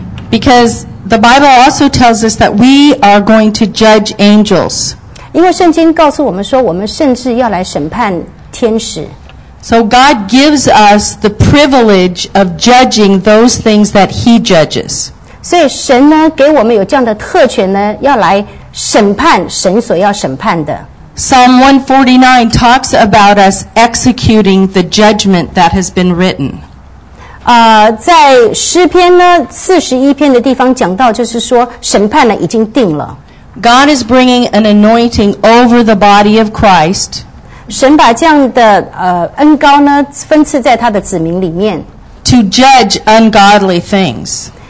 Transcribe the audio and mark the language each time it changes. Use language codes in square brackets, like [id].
[en] Because the Bible also tells us that we are going to judge angels. [zh] 因为圣经告诉我们说，我们甚至要来审判天使。 [en] So God gives us the privilege of judging those things that He judges. [zh] 所以神呢，给我们有这样的特权呢，要来审判神所要审判的。 [en] Psalm 149 talks about us executing the judgment that has been written. [zh] 在诗篇呢，41篇的地方讲到，就是说审判呢已经定了。 [en] God is bringing an anointing over the body of Christ. [zh] 神把这样的恩膏呢分赐在他的子民里面。 [en] To judge ungodly things.